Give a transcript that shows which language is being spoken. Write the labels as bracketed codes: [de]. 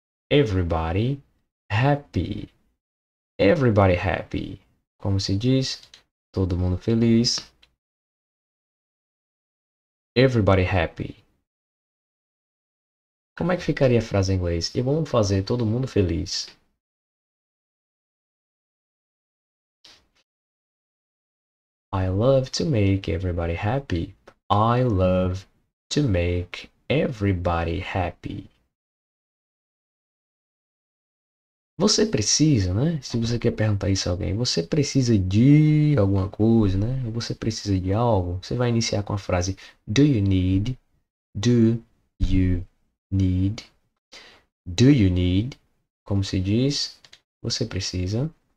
[en] Everybody happy. Everybody happy. [pt] Como se diz? Todo mundo feliz. [en] Everybody happy. [pt] Como é que ficaria a frase em inglês? Eu amo fazer todo mundo feliz. [en] I love to make everybody happy. I love to make everybody happy. [pt] Você precisa, né? Se você quer perguntar isso a alguém, você precisa de alguma coisa, né? Você precisa de algo. Você vai iniciar com a frase [en] Do you need? Do you need? Do you need? [pt] Como se diz? Você precisa?